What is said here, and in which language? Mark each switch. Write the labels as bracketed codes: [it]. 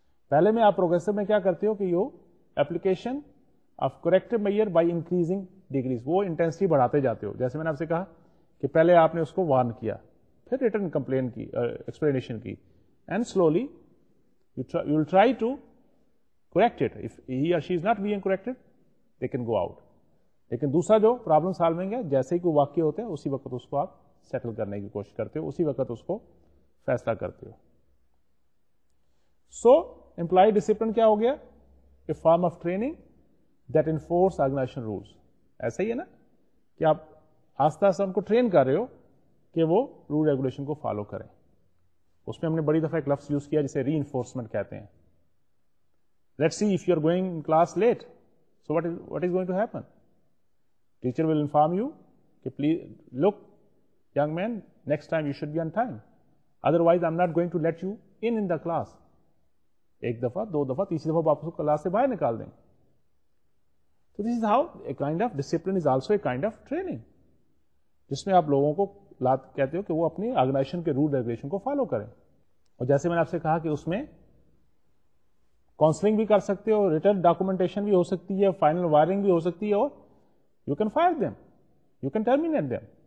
[ur] پہلے میں آپ پروگریسو میں کیا کرتے ہو کہ [en] you application of corrective measure by increasing degrees, [ur] وہ انٹینسٹی بڑھاتے جاتے ہو. جیسے میں نے آپ سے کہا کہ پہلے آپ نے اس کو وارن کیا, پھر ریٹرن کمپلین کی, ایکسپلینیشن کی, [en] And slowly you will try to correct it. If he or she is not being corrected they can go out. [ur] لیکن دوسرا جو پرابلم سالونگ ہے, جیسے ہی کوئی واقعہ ہوتا ہے اسی وقت اس کو آپ سیٹل کرنے کی کوشش کرتے ہو, اسی وقت اس کو فیصلہ کرتے ہو. [en] so employee discipline [ur] کیا ہو گیا, [en] A form of training that enforce organization rules. [ur] ایسا ہی ہے نا کہ آپ آہستہ آہستہ ان کو ٹرین کر رہے ہو کہ وہ رول ریگولیشن کو فالو کریں. اس میں ہم نے بڑی دفعہ ایک لفظ یوز کیا جسے ری انفورسمنٹ کہتے ہیں. [en] Let see if you are going class late, so what is going to happen, teacher will inform you کہ please look young man, next time you should be on time, otherwise I am not going to let you in the class. [ur] ایک دفعہ, دو دفعہ, تیسری دفعہ آپ کو class سے باہر نکال دیں. [en] So this is how a kind of discipline is also a kind of training. [ur] جس میں آپ لوگوں کو لات کہتے ہو کہ وہ اپنی آرگنائزیشن کے رول ریگولیشن کو فالو کریں. اور جیسے میں نے آپ سے کہا کہ اس میں کاؤنسلنگ بھی کر سکتے ہو, ریٹرن ڈاکومنٹیشن بھی ہو سکتی ہے, فائنل وائرنگ بھی ہو سکتی ہے, اور [en] You can fire them, you can terminate them.